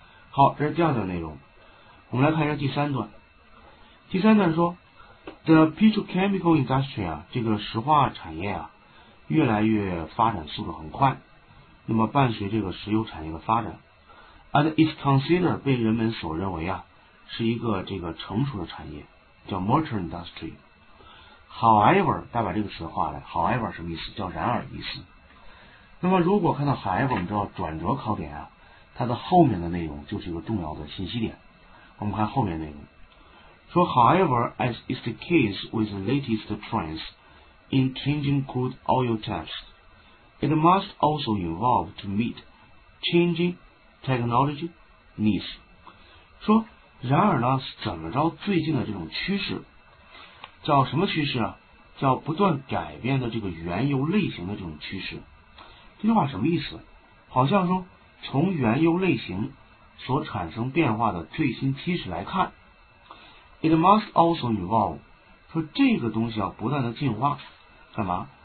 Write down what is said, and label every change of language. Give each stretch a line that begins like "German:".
Chinese: 好，这是第二段内容。我们来看一下第三段。第三段说
English: The petrochemical industry
Chinese: 啊，这个石化产业啊越来越发展速度很快，那么伴随这个石油产业的发展，
English: and is considered
Chinese: 被人们所认为啊是一个这个成熟的产业，叫
English: mature industry。
Chinese: however， 大家把这个词画来， however 什么意思？叫然而意思。那么如果看到 however， 我们知道转折考点啊，它的后面的内容就是一个重要的信息点。我们看后面内容，说
English: however as is the case with the latest trends in changing crude oil types， it must also evolve to meet changing technology needs。
Chinese: 说然而呢，怎么着最近的这种趋势叫什么趋势啊？叫不断改变的这个原油类型的这种趋势。这句话什么意思？好像说从原油类型所产生变化的最新趋势来看，
English: it must also evolve，
Chinese: 说这个东西要不断的进化，干嘛？